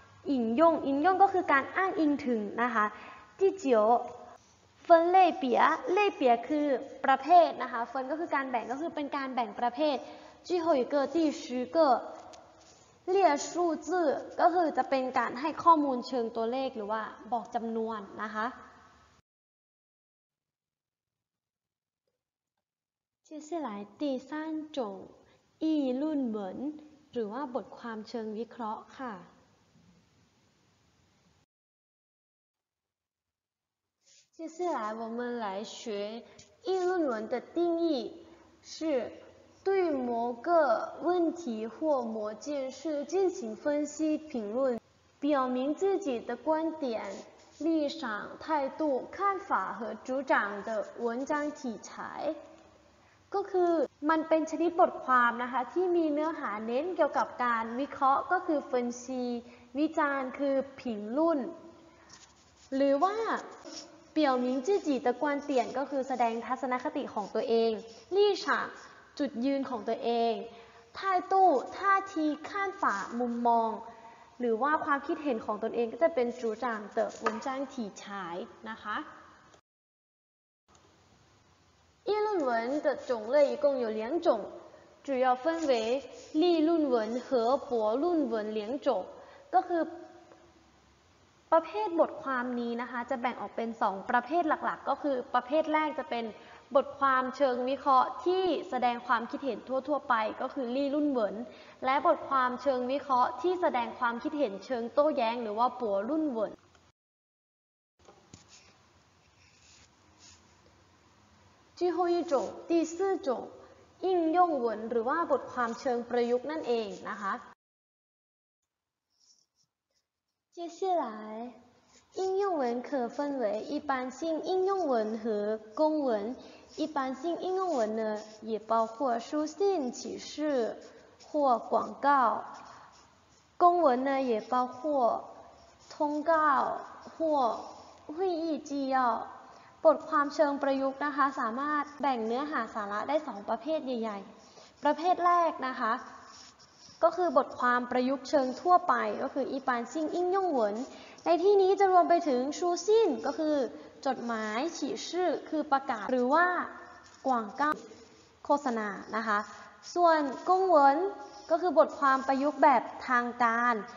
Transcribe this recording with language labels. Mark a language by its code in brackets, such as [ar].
[th] อิงย่งอิงย่งก็คือการอ้างอิงถึงนะคะดิเจียวfen lei bia lei bia คือประเภทนะคะ fen ก็คือการแบ่งก็คือเป็นการแบ่งประเภท [zh] 最后一个第十个列数字 [th] ก็คือจะเป็นการให้ข้อมูลเชิงตัวเลขหรือว่าบอกจำนวนนะคะ [zh] 接下来第三种议论文 [th] หรือว่าบทความเชิงวิเคราะห์ค่ะ [zh] 接下来我们来学议论文的定义，是对某个问题或某件事进行分析评论，表明自己的观点、立场、态度、看法和主张的文章题材。 [th] ก็คือมันเป็นชนิดบทความนะคะที่มีเนื้อหาเน้นเกี่ยวกับการวิเคราะห์ก็คือ分析วิจารณ์คือ评论หรือว่าเปี่ยวมิงจื้อจีตะกวนเตียนก็คือแสดงทัศนคติของตัวเองลี่ฉางจุดยืนของตัวเองท่าตู้ท่าทีข้านฝามุมมองหรือว่าความคิดเห็นของตนเองก็จะเป็นจูจางเต๋อวนจ้างถี่ฉายนะคะ [zh] 议论文的种类一共有两种主要分为立论文和博论文两种 [th] ก็คือประเภทบทความนี้นะคะจะแบ่งออกเป็น2ประเภทหลักๆก็คือประเภทแรกจะเป็นบทความเชิงวิเคราะห์ที่แสดงความคิดเห็นทั่วๆไปก็คือลี่รุ่นเหวินและบทความเชิงวิเคราะห์ที่แสดงความคิดเห็นเชิงโต้แย้งหรือว่าปัวรุ่นเหวิน จีฮุยจง [zh] 第四种应用文 [th] หรือว่าบทความเชิงประยุกต์นั่นเองนะคะ [zh] 接下来应用文可分为一般性应用文和公文一般性应用文呢也包括书信启事或广告公文呢也包括通告或会议纪要 [th] บทความเชิงประยุกต์นะคะสามารถแบ่งเนื้อหาสาระได้2ประเภทใหญ่ๆประเภทแรกนะคะก็คือบทความประยุกต์เชิงทั่วไปก็คืออีปานซิงอิงยงหวนในที่นี้จะรวมไปถึงชูซินก็คือจดหมายฉีชื่อคือประกาศหรือว่ากวางก้าโฆษณานะคะส่วนกงหวนก็คือบทความประยุกต์แบบทางการ